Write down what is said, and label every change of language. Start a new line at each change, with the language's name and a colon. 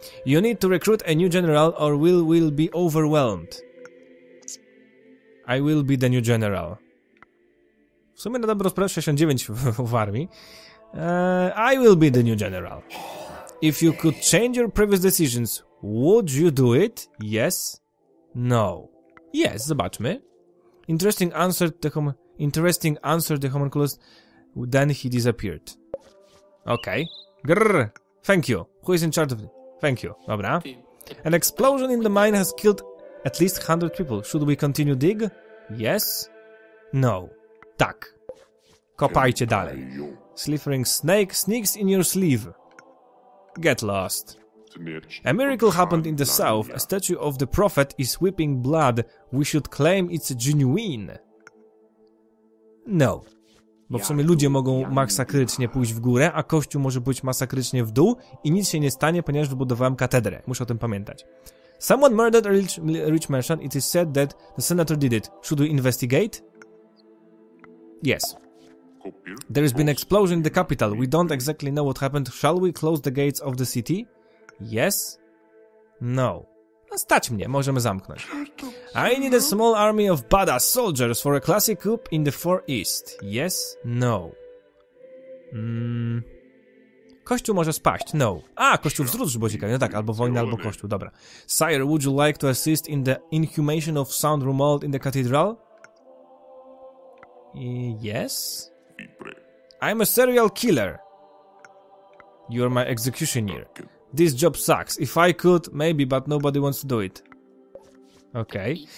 English: You need to recruit a new general or we'll be overwhelmed. I will be the new general.
Polish: W sumie na dobrą sprawę 69 w armii.
English: I will be the new general. If you could change your previous decisions, would you do it? Yes? No. Yes,
Polish: zobaczmy.
English: Interesting answer the homunculus, then he disappeared. Okay. Grrr. Thank you. Who is in charge of it? Thank you.
Polish: Dobra.
English: An explosion in the mine has killed at least 100 people. Should we continue dig? Yes? No.
Polish: Tak. Kopajcie dalej.
English: Slithering snake sneaks in your sleeve. Get lost. A miracle happened in the south. A statue of the prophet is weeping blood. We should claim it's genuine. No.
Polish: Bo w sumie ludzie mogą masakrycznie pójść w górę, a kościół może pójść masakrycznie w dół i nic się nie stanie, ponieważ wybudowałem katedrę. Muszę o tym pamiętać.
English: Someone murdered a rich mansion. It is said that the senator did it. Should we investigate? Yes. There has been an explosion in the capital. We don't exactly know what happened. Shall we close the gates of the city? Yes. No.
Polish: No stać mnie, możemy zamknąć.
English: I need a small army of badass soldiers for a classic coup in the Far East. Yes. No.
Polish: Kościół może spaść. No. A, kościół wzrósł, bo ciekawie. No tak, albo wojna, albo kościół. Dobra.
English: Sire, would you like to assist in the inhumation of Saint Romuald in the cathedral? Yes. I'm a serial killer. You're my executioner. This job sucks. If I could, maybe, but nobody wants to do it. Okay.